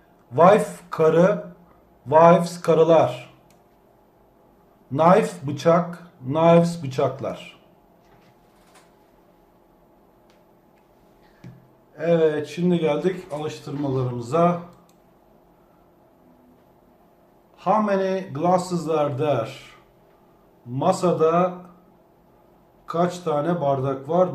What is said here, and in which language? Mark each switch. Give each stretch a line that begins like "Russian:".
English: Wife,
Turkish: karı.
English: Wives,
Turkish: karılar.
English: Knife,
Turkish: bıçak.
English: Knives,
Turkish: bıçaklar. Evet, şimdi geldik alıştırmalarımıza.
English: How many glasses are there?
Turkish: Masada kaç tane bardak var?